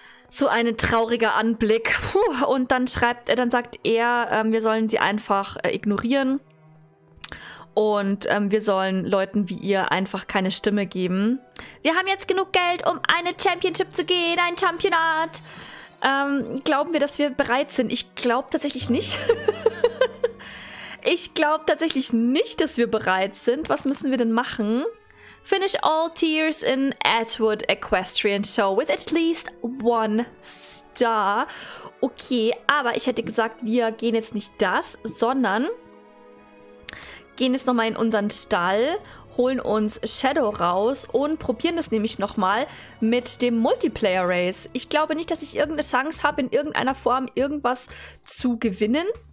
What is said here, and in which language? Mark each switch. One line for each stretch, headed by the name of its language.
German: So ein trauriger Anblick. Puh, und dann schreibt er, dann sagt er, wir sollen sie einfach ignorieren und wir sollen Leuten wie ihr einfach keine Stimme geben. Wir haben jetzt genug Geld, um eine Championship zu gehen, ein Championat. Glauben wir, dass wir bereit sind? Ich glaube tatsächlich nicht. Ich glaube tatsächlich nicht, dass wir bereit sind. Was müssen wir denn machen?
English: Finish all tiers in Atwood Equestrian Show with at least one star.
German: Okay, aber ich hätte gesagt, wir gehen jetzt nicht das, sondern gehen jetzt nochmal in unseren Stall, holen uns Shadow raus und probieren das nämlich nochmal mit dem Multiplayer Race. Ich glaube nicht, dass ich irgendeine Chance habe, in irgendeiner Form irgendwas zu gewinnen.